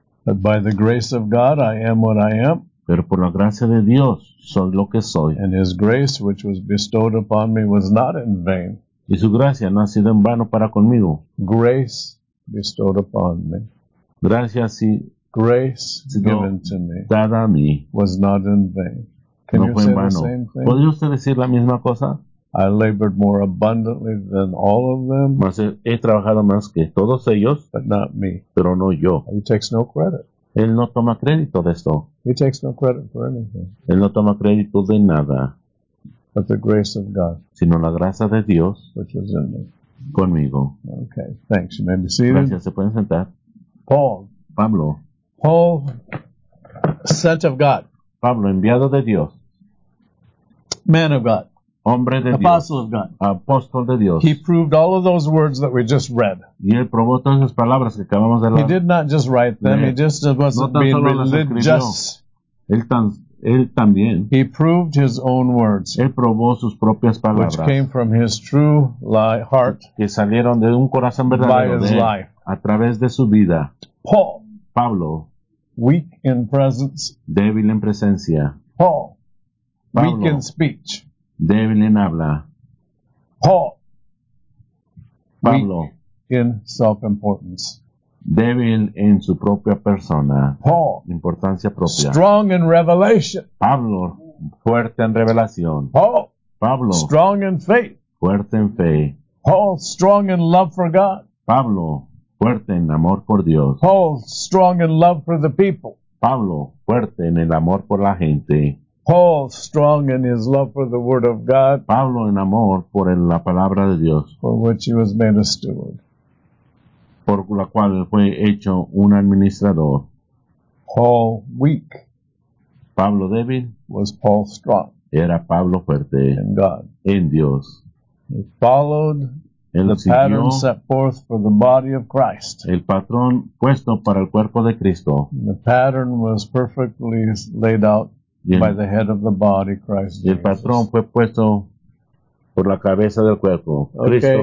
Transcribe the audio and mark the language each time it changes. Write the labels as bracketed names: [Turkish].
[English] But by the grace of God, I am what I am. [Spanish] Pero por la gracia de Dios, soy lo que soy. [English] And his grace, which was bestowed upon me, was not in vain. [Spanish] Y su gracia no ha sido en vano para conmigo. [English] Grace bestowed upon me. [Spanish] Gracia si [English] grace given to me. [Spanish] Dada a mí. [English] Was not in vain. Can [Spanish] no [English] you [Spanish] fue [English] say [Spanish] en vano. ¿Podría usted decir la misma cosa? [English] I labored more abundantly than all of them. [Spanish] Mas he trabajado más que todos ellos. [English] But not me. [Spanish] Pero no yo. [English] He takes no credit. [Spanish] Él no toma crédito de esto. [English] He takes no credit for anything. [Spanish] Él no toma crédito de nada. [English] But the grace of God. [Spanish] Sino la gracia de Dios. [English] Which is in me. [Spanish] Conmigo. [English] Okay, thanks. You may be seated. [Spanish] Gracias, se pueden sentar. [English] Paul. [Spanish] Pablo. [English] Paul, sent of God. [Spanish] Pablo, enviado de Dios. [English] Man of God. [Spanish] Hombre de [English] Apostle [Spanish] Dios. [English] Of God. [Spanish] Apóstol de Dios. [English] He proved all of those words that we just read. [Spanish] Y él probó todas esas palabras que acabamos de leer. [English] He did not just write them. He just wasn't [Spanish] no [English] being religious. [Spanish] Él tan él también, [English] he proved his own words, [Spanish] él probó sus propias palabras, [English] which came from his true heart, [Spanish] que salieron de un corazón verdadero de él, a través de su vida. [English] Paul, [Spanish] Pablo, [English] weak in presence, [Spanish] débil en presencia. [English] Paul, [Spanish] Pablo, [English] weak in speech, [Spanish] débil en habla. [English] Paul, [Spanish] Pablo, [English] weak in self-importance, [Spanish] débil en su propia persona. [English] Paul, [Spanish] importancia propia. [English] Strong in revelation, [Spanish] Pablo, fuerte en revelación. [English] Paul, [Spanish] Pablo, [English] strong in faith, [Spanish] fuerte en fe. [English] Paul, strong in love for God, [Spanish] Pablo, fuerte en amor por Dios. [English] Paul, strong in love for the people, [Spanish] Pablo, fuerte en el amor por la gente. [English] Paul, strong in his love for the word of God, [Spanish] Pablo, en amor por la palabra de Dios, [English] for which he was made a steward, [Spanish] por la cual fue hecho un administrador. [English] Paul, weak, [Spanish] Pablo débil, [English] was Paul strong, [Spanish] era Pablo fuerte, [English] in God, [Spanish] en Dios. [English] He followed [Spanish] él [English] the [Spanish] siguió [English] pattern set forth for the body of Christ, [Spanish] el patrón puesto para el cuerpo de Cristo. [English] The pattern was perfectly laid out by the head of the body, Christ Jesus. [Spanish] El patrón fue puesto por la cabeza del cuerpo, Cristo,